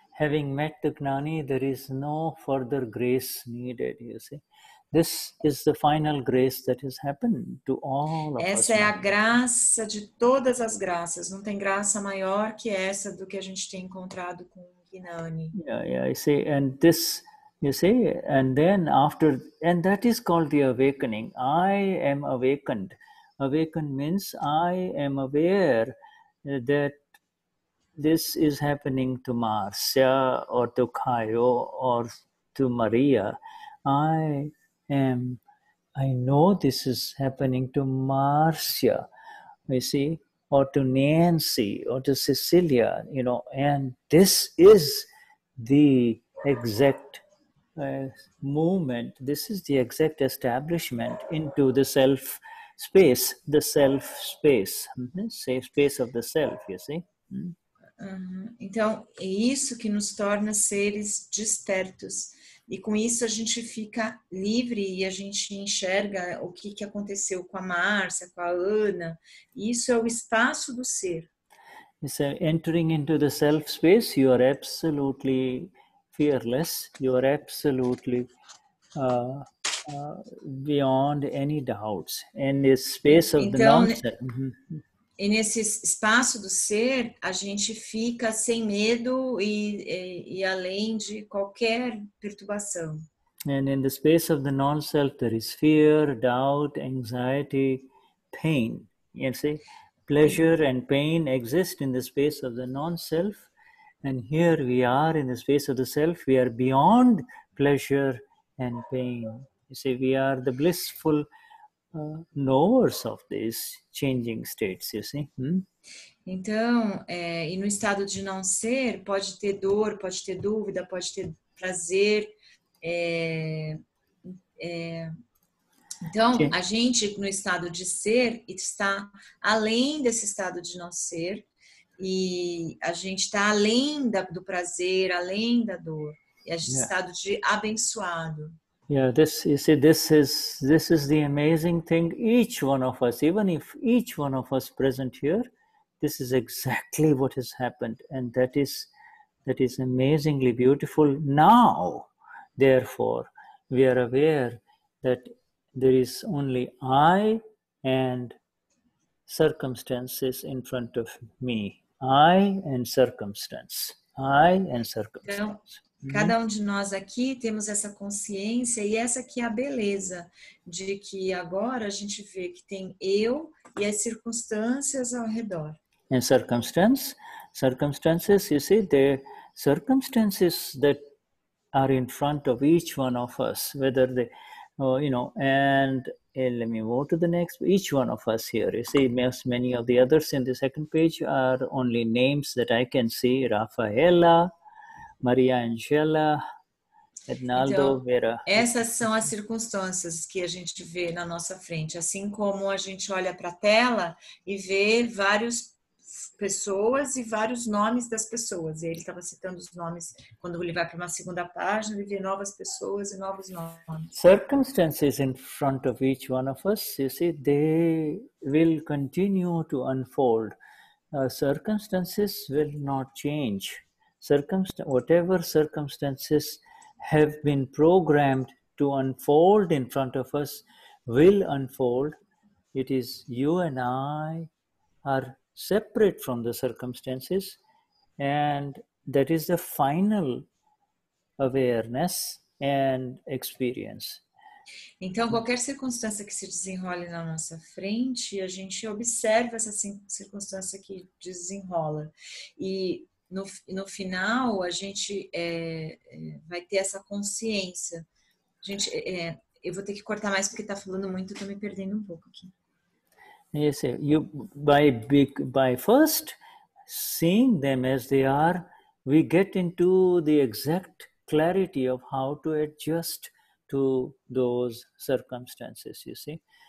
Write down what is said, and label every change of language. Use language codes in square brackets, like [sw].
[en] Having met the Gnani, there is no further grace needed, you see. This is the final grace that has happened to all of us. [pt] Essa é a graça de todas as graças. Não tem graça maior que essa do que a gente tem encontrado com Gnani. [en] Yeah, you see, and this, you see, and then after, and that is called the awakening. I am awakened. Awakened means I am aware that this is happening to Marcia or to Caio or to Maria. I know this is happening to Marcia. we see, or to Nancy, or to Cecilia, you know, and this is the exact movement, this is the exact establishment into the self space, the self space, safe space of the self, you see. [pt] Então, é isso que nos torna seres despertos. E com isso a gente fica livre e a gente enxerga o que, que aconteceu com a Márcia, com a Ana. Isso é o espaço do ser. [en] So, entering into the self space, you are absolutely fearless. You are absolutely beyond any doubts. And the space of the mountain. [pt] E nesse espaço do ser, a gente fica sem medo e além de qualquer perturbação. [en] And in the space of the non-self, there is fear, doubt, anxiety, pain. You see, pleasure and pain exist in the space of the non-self. And here we are in the space of the self. We are beyond pleasure and pain. You see, we are the blissful knowers of these changing states, you see? [pt] Então, e no estado de não ser, pode ter dor, pode ter dúvida, pode ter prazer. Então, a gente no estado de ser está além desse estado de não ser, e a gente está além do prazer, além da dor, e a gente estado de abençoado. [en] Yeah, this, you see, this is the amazing thing. Each one of us, even if each one of us present here, this is exactly what has happened, and that is amazingly beautiful. Now, therefore, we are aware that there is only I and circumstances in front of me. I and circumstance. I and circumstance. Yeah. [pt] Cada de nós aqui temos essa consciência e essa aqui é a beleza de que agora a gente vê que tem eu e as circunstâncias ao redor. [en] And circumstances, you see, the circumstances that are in front of each one of us, whether they, you know, and let me move to the next, each one of us here, you see, many of the others in the second page are only names that I can see, Rafaela, Maria Angela, Ednaldo, [pt] então, Vera. Essas são as circunstâncias que a gente vê na nossa frente. Assim como a gente olha para a tela e vê várias pessoas e vários nomes das pessoas. Ele estava citando os nomes quando ele vai para uma segunda página, ele vê novas pessoas e novos nomes. [en] Circumstances in front of each one of us, you see, they will continue to unfold. Circumstances will not change. Whatever circumstances have been programmed to unfold in front of us will unfold. It is you and I are separate from the circumstances, and that is the final awareness and experience. [pt] Então, qualquer circunstância que se desenrole na nossa frente, a gente observa essa circunstância que desenrola. E no final, a gente vai ter essa consciência. Gente, eu vou ter que cortar mais porque está falando muito, estou me perdendo um pouco aqui. [en] Yes, you, by first seeing them as they are, we get into the exact clarity of how to adjust to those circumstances, you see.